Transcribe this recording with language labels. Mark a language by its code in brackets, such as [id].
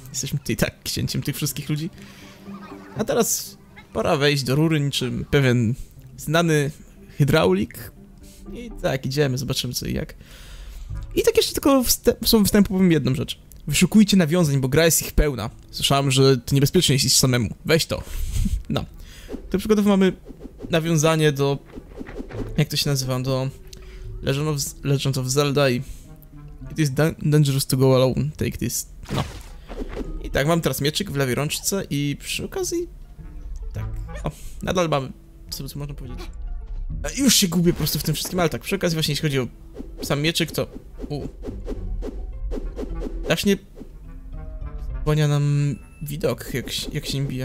[pl] Jesteśmy tutaj tak księciem tych wszystkich ludzi. A teraz pora wejść do rury niczym pewien znany hydraulik. I tak, idziemy, zobaczymy co i jak. I tak jeszcze tylko wstępu powiem jedną rzecz. Wyszukujcie nawiązań, bo gra jest ich pełna. Słyszałem, że to niebezpiecznie jest iść samemu. Weź to. No. To przygotowy mamy nawiązanie do... Jak to się nazywa? Do... [en] Legend of Zelda i it is dangerous to go alone, take this. [pl] No. I tak, mam teraz mieczyk w lewej rączce i przy okazji... Tak. O, nadal mamy, co można powiedzieć. Już się gubię po prostu w tym wszystkim, ale tak, przy okazji właśnie jeśli chodzi o sam mieczyk, to... Właśnie... Wspania nam widok, jak się im bije.